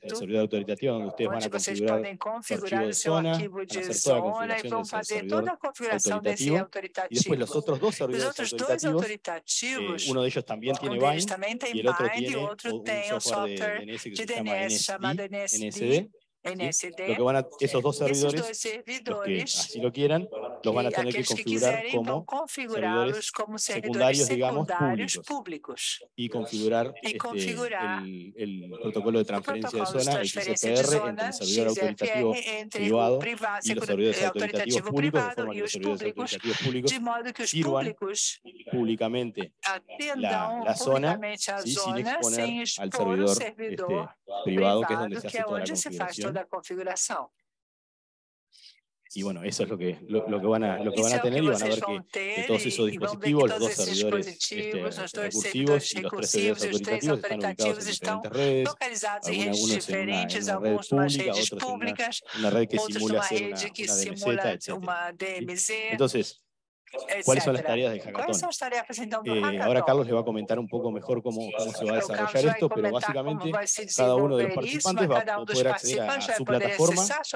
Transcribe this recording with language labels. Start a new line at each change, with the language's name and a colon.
Spanish: el servidor autoritativo donde ustedes van a configurar
Portuguese: configurar seu arquivo de zona e vão fazer toda a configuração desse autoritativo. E depois os outros dois servidores autoritativos, um deles também tem Bind, e o outro tem um software de DNS chamado NSD. NSD,
Spanish: lo que van a, esos dos servidores, los que así lo quieran, los van a tener que configurar como servidores secundarios, digamos, públicos. Y configurar el protocolo de transferencia de zona, el XFR, entre el servidor autoritativo privado y los servidores autoritativos públicos, de forma que los servidores autoritativos públicos sirvan públicamente la zona sin exponer al servidor privado, que es donde se hace toda la configuración.
Portuguese: Da configuração. E,
Spanish: bueno,
Portuguese: isso é o que
Spanish: van a tener,
Portuguese: e van a ver que todos esses dispositivos, os dois servidores recursivos e os três servidores autoritativos estão localizados em redes diferentes, alguns em redes públicas, uma rede que simula uma DMZ. Então,
Spanish: ¿cuáles son las tareas del hackathon? Ahora Carlos le va a comentar un poco mejor cómo se va a desarrollar esto, pero básicamente cada uno de los participantes va a poder acceder a su plataforma.